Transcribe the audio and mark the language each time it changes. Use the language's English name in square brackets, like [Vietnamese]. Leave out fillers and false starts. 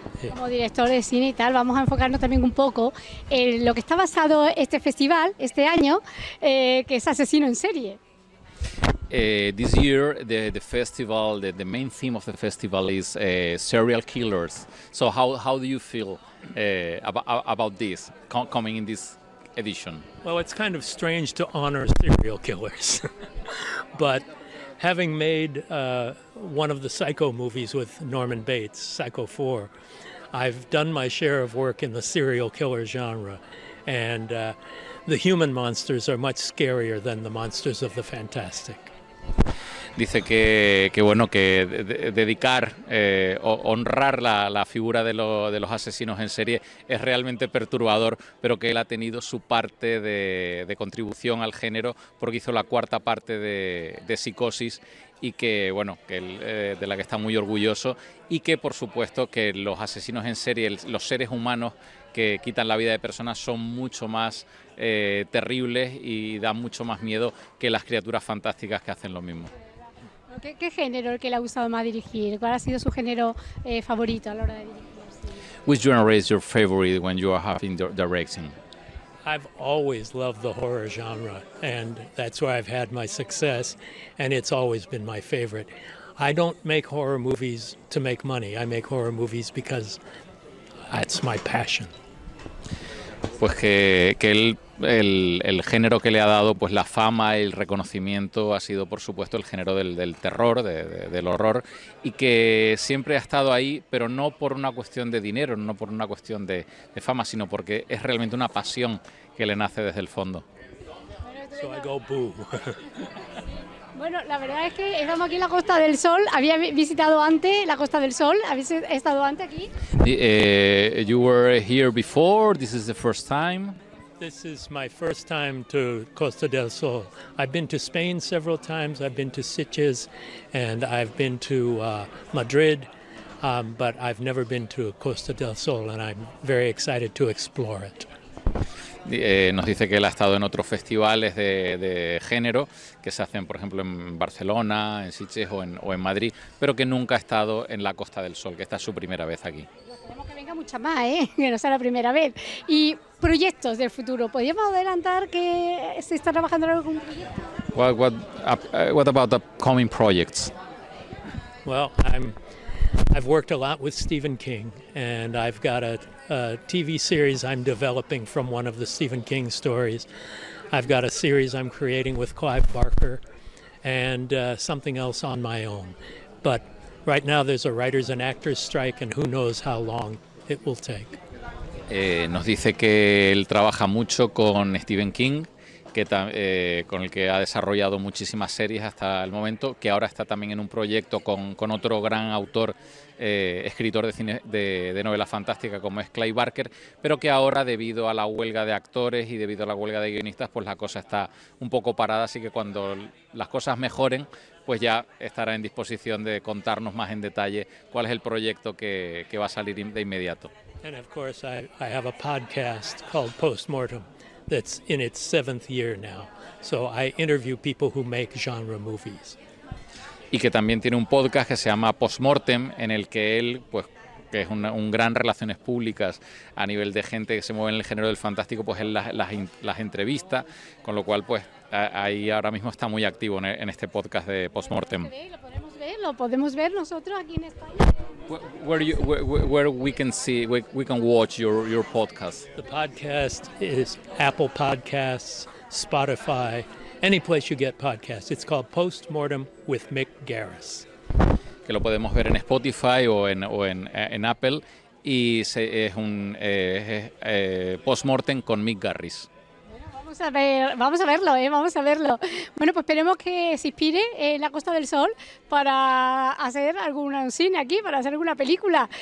[Spanish] Como director de cine y tal, vamos a enfocarnos también un poco en lo que está basado este festival este año, que es Asesino en Serie. [English] This year, the festival, the main theme of the festival is serial killers. So how do you feel about this, coming in this edition? Well, it's kind of strange to honor serial killers. But having made one of the Psycho movies with Norman Bates, Psycho 4, I've done my share of work in the serial killer genre. And the human monsters are much scarier than the monsters of the fantastic. [Spanish] Dice que bueno, que dedicar, honrar la figura de los asesinos en serie es realmente perturbador, pero que él ha tenido su parte de contribución al género, porque hizo la cuarta parte de Psicosis, y que bueno, que él, de la que está muy orgulloso, y que por supuesto que los asesinos en serie, los seres humanos que quitan la vida de personas, son mucho más terribles y dan mucho más miedo que las criaturas fantásticas que hacen lo mismo. ¿Qué género el que le ha gustado más dirigir? ¿Cuál ha sido su género favorito a la hora de dirigir? [English] Which genre is your favorite when you are having directing? I've always loved the horror genre, and that's where I've had my success, and it's always been my favorite. I don't make horror movies to make money. I make horror movies because that's my passion. [Spanish] Pues que el género que le ha dado pues la fama y el reconocimiento ha sido, por supuesto, el género del terror, del horror, y que siempre ha estado ahí, pero no por una cuestión de dinero, no por una cuestión de fama, sino porque es realmente una pasión que le nace desde el fondo. [English] So I go boo. [Spanish] Bueno, la verdad es que estamos aquí en la Costa del Sol. Había visitado antes la Costa del Sol. ¿Habéis estado antes aquí? [English] You were here before. This is the first time. This is my first time to Costa del Sol. I've been to Spain several times. I've been to Sitges, and I've been to Madrid, but I've never been to Costa del Sol, and I'm very excited to explore it. [Spanish] Nos dice que él ha estado en otros festivales de género que se hacen, por ejemplo, en Barcelona, en Sitges o en Madrid, pero que nunca ha estado en la Costa del Sol, que esta es su primera vez aquí. Esperemos que venga mucha más, que no sea la primera vez. Y proyectos del futuro, ¿podríamos adelantar que se está trabajando en algún proyecto? [English] What about upcoming projects? Well, I've worked a lot with Stephen King, and I've got a TV series I'm developing from one of the Stephen King stories. I've got a series I'm creating with Clive Barker, and something else on my own. But right now there's a writers and actors strike, and who knows how long it will take. [Spanish] Nos dice que él trabaja mucho con Stephen King, con el que ha desarrollado muchísimas series hasta el momento, que ahora está también en un proyecto con otro gran autor, escritor de cine de novela fantástica, como es Clive Barker, pero que ahora, debido a la huelga de actores y debido a la huelga de guionistas, pues la cosa está un poco parada, así que cuando las cosas mejoren, pues ya estará en disposición de contarnos más en detalle cuál es el proyecto que va a salir de inmediato. [English] And of course I have a podcast called Postmortem that's in its seventh year now, so I interview people who make genre movies. [Spanish] Y que también tiene un podcast que se llama Postmortem, en el que él pues que es un gran relaciones públicas a nivel de gente que se mueve en el género del fantástico, pues es las entrevistas, con lo cual pues ahí ahora mismo está muy activo en este podcast de Postmortem. Lo podemos ver nosotros aquí en España. [English] Where we can watch your podcast? The podcast is Apple Podcasts, Spotify, any place you get podcasts. It's called Postmortem with Mick Garris. [Spanish] Que lo podemos ver en Spotify o en Apple, y es Postmortem con Mick Garris. Vamos a verlo. Bueno, pues esperemos que se inspire en la Costa del Sol para hacer algún cine aquí, para hacer alguna película.